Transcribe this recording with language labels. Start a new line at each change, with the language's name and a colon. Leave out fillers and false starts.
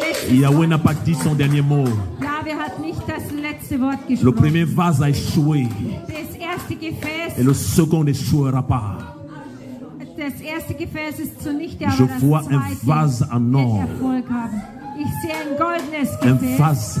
French: Yahweh n'a pas dit son dernier mot.
German: Yahweh hat nicht das letzte Wort gesprochen.
French: Le premier vase a échoué.
German: Das erste Gefäß.
French: Et le second n'échouera pas.
German: Das erste Gefäß ist zunichte, aber
French: Je vois un vase en or.
German: Ich sehe ein goldenes Gefäß.